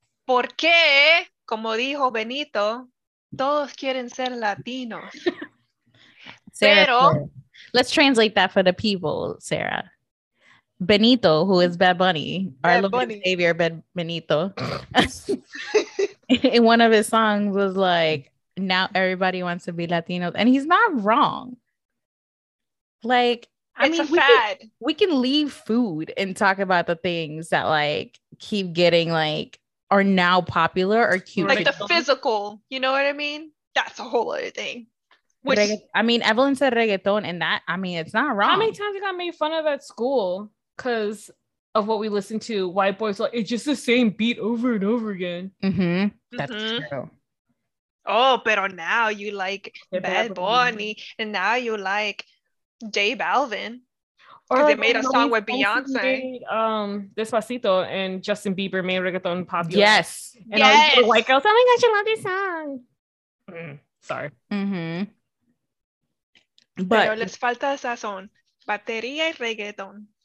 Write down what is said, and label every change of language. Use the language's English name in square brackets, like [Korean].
[Spanish] Porque, como dijo Benito, todos quieren ser latinos. Sarah, pero... [English] Let's translate that for the people, Sarah. Benito, who is Bad Bunny, our little savior, Benito. In one of his songs was like, now everybody wants to be Latino. And he's not wrong. Like, it's we can leave food and talk about the things that like keep getting like are now popular or cute. Like the physical, you know what I mean? That's a whole other thing. Evelyn said reggaeton, and that, I mean, it's not wrong. How many times I got made fun of at school because of what we listen to? White boys like, it's just the same beat over and over again. Mm-hmm. That's mm-hmm. true. Oh, but now you like Bad Bunny, and now you like J Balvin, because they made a song with Beyonce. Despacito, and Justin Bieber made reggaeton popular. Yes. And yes. All the white girls, oh my gosh, I love this song. Sorry. Mm-hmm. [Spanish] But pero les falta sazón, batería y reggaeton.